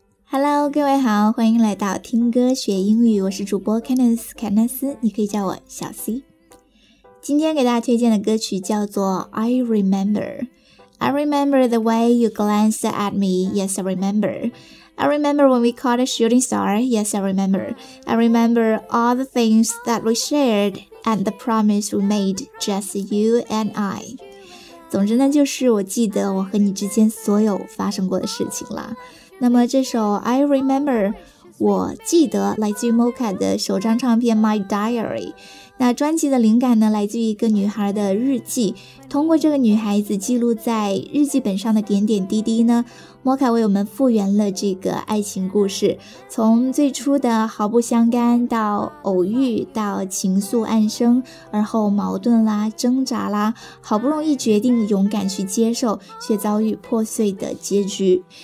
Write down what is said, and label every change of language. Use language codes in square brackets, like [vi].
[zh] Hello， 各位好，欢迎来到听歌学英语，我是主播 Candice 凯纳斯，你可以叫我小 C。今天给大家推荐的歌曲叫做 I Remember。 [en] I remember the way you glanced at me. Yes, I remember. I remember when we caught a shooting star. Yes, I remember. I remember all the things that we shared and the promise we made, just you and I. [zh] 总之呢，就是我记得我和你之间所有发生过的事情啦。那么这首 I Remember 我记得来自于 Mocha 的首张唱片 My Diary， 那专辑的灵感呢来自于一个女孩的日记，通过这个女孩子记录在日记本上的点点滴滴呢， Mocha 为我们复原了这个爱情故事，从最初的毫不相干到偶遇到情愫暗生，而后矛盾啦挣扎啦，好不容易决定勇敢去接受却遭遇破碎的结局。